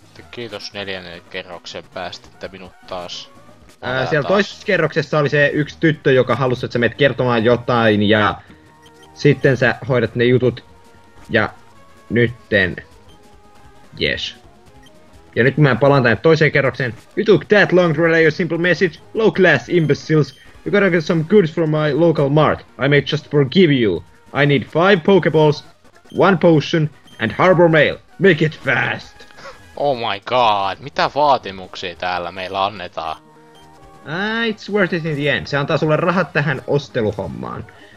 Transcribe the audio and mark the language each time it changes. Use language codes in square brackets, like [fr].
[fi] Kiitos neljännen kerroksen päästä, että minut taas... Siellä toisessa kerroksessa oli se yksi tyttö, joka halusi, että sä menet kertomaan jotain, ja sitten sä hoidat ne jutut, ja nytten, yes. Ja nyt mä palaan tänne toiseen kerrokseen. [en] You took that long to relay a simple message, low class imbeciles. You gotta get some goods from my local mart. I may just forgive you. I need 5 pokeballs, 1 potion, and harbor mail. Make it fast! Oh my god, [fi] mitä vaatimuksia täällä meillä annetaan? [en] It's worth it in the end. [fi] Se antaa sulle rahat tähän osteluhommaan.